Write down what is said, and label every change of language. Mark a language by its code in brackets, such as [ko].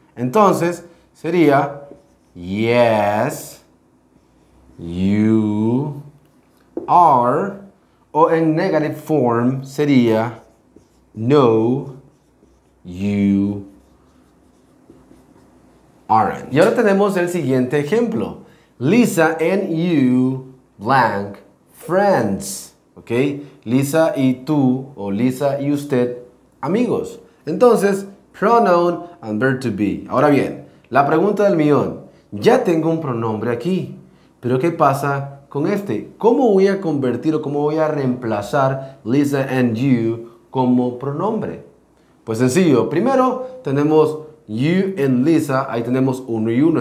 [es] Entonces, sería, [en] yes, you are, [es] o en negative form sería, [en] no, you aren't. [es] Y ahora tenemos el siguiente ejemplo. [en] Lisa and you blank friends. ¿Ok? [es] Lisa y tú, o Lisa y usted, amigos. [en] Entonces, pronoun and verb to be. [es] Ahora bien, la pregunta del millón. Ya tengo un pronombre aquí, pero ¿qué pasa con este? ¿Cómo voy a convertir o cómo voy a reemplazar [en] Lisa and you [es] como pronombre? Pues sencillo. Primero, tenemos [en] you and Lisa. [es] Ahí tenemos uno y uno.